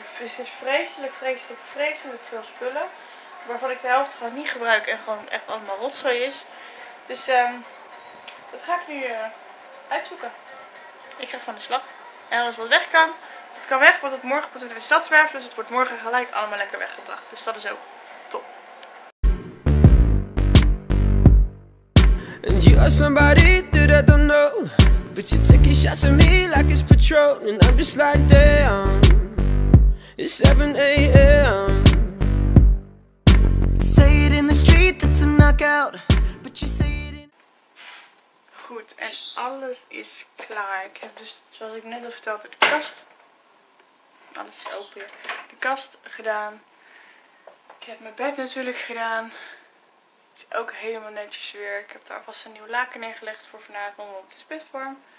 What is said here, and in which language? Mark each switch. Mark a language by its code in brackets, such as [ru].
[nl] Het is vreselijk, vreselijk, vreselijk veel spullen. Waarvan ik de helft gewoon niet gebruik en gewoon echt allemaal rotzooi is. Dus dat ga ik nu uitzoeken. Ik ga van de slag. En alles wat weg kan, het kan weg. Want het morgen moet in de stadswerf. Dus het wordt morgen gelijk allemaal lekker weggebracht. Dus dat is ook top. [en] And you are somebody that I don't know. But you're taking shots at me like it's Patron. And I'm just like, damn, it's 7 a.m. Say it in the street, that's a knockout. But you say it in... Goed, en alles is klaar. [nl] Ik heb dus, zoals ik net al verteld, de kast... Alles is open hier. De kast gedaan. Ik heb mijn bed natuurlijk gedaan. Ook helemaal netjes weer. Ik heb daar alvast een nieuw laken neergelegd voor vanavond, want het is best warm.